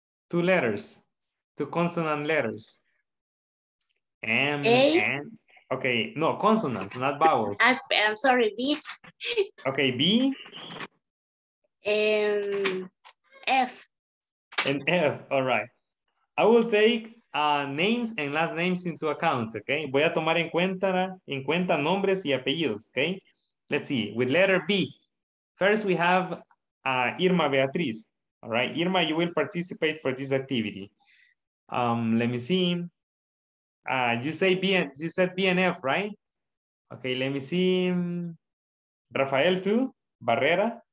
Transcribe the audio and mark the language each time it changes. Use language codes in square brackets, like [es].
[en] Two letters, 2 consonant letters. M, A? N. Okay, no, consonants, not vowels. I'm sorry, B. Okay, B. F. And F, all right. I will take names and last names into account, okay? [es] Voy a tomar en cuenta nombres y apellidos, okay? [en] Let's see, with letter B. First, we have Irma Beatriz. All right, Irma, you will participate for this activity. Let me see. You said B and F, right? Okay, let me see. Rafael too, Barrera.